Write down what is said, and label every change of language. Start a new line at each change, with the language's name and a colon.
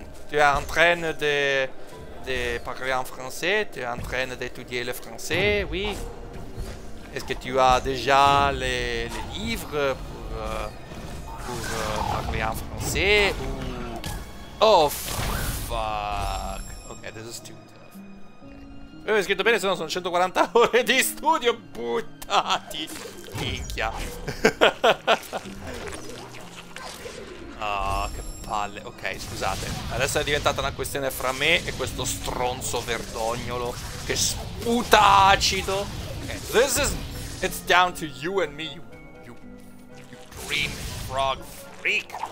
French: Tu entraînes de parler en français, tu es en train d'étudier le français, oui. Est-ce que tu as déjà les livres pour parler en français ou...
English: Oh, fuck. Ok, this is too tough. Okay.
Italian: Scritto bene, se no sono 140 ore di studio buttati. Minchia. Ah, che palle. Ok, scusate. Adesso è diventata una questione fra me e questo stronzo verdognolo che sputa acido.
English: Okay, this is... It's down to you and me, you green frog freak.